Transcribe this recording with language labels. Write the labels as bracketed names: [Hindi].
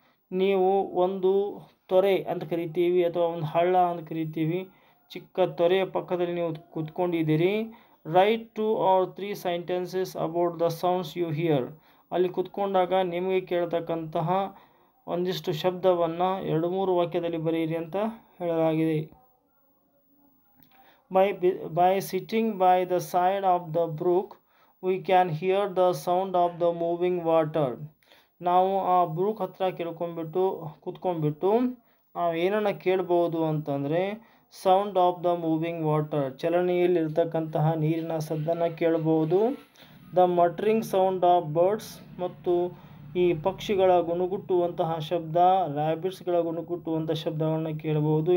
[Kannada] ನೀವು ಒಂದು ತೊರೆ ಅಂತ ಕರಿತೀವಿ ಅಥವಾ ಒಂದು ಹಳ್ಳ ಅಂತ ಕರಿತೀವಿ, ಚಿಕ್ಕ ತೊರೆಯ ಪಕ್ಕದಲ್ಲಿ ನೀವು ಕೂತ್ಕೊಂಡಿದ್ದೀರಿ. [English] Write two or three sentences about the sounds you hear. [Kannada] ಅಲ್ಲಿ ಕೂತ್ಕೊಂಡಾಗ ನಿಮಗೆ ಕೇಳ್ತಕ್ಕಂತಹ ಒಂದಿಷ್ಟು ಶಬ್ದವನ್ನು ಎರಡು ಮೂರು ವಾಕ್ಯದಲ್ಲಿ ಬರೆಯಿರಿ ಅಂತ ಹೇಳಲಾಗಿದೆ. [English] By sitting by the side of the brook, we can hear the sound of the moving water. [Kannada] ನಾವು ಆ ಬ್ರೂಕ್ ಹತ್ತಿರ ಕೇಳ್ಕೊಂಬಿಟ್ಟು ಕೂತ್ಕೊಂಬಿಟ್ಟು ನಾವು ಏನನ್ನು ಕೇಳ್ಬೋದು ಅಂತಂದರೆ [English] sound of the moving water, [Kannada] ಚಲನೆಯಲ್ಲಿರ್ತಕ್ಕಂತಹ ನೀರಿನ ಸದ್ದನ್ನು ಕೇಳ್ಬೋದು. [English] the muttering sound of birds, [Kannada] ಮತ್ತು ಈ ಪಕ್ಷಿಗಳ ಗುಣುಗುಟ್ಟುವಂತಹ ಶಬ್ದ, ರ್ಯಾಬಿಟ್ಸ್ಗಳ ಗುಣುಗುಟ್ಟುವಂಥ ಶಬ್ದವನ್ನು ಕೇಳ್ಬೋದು.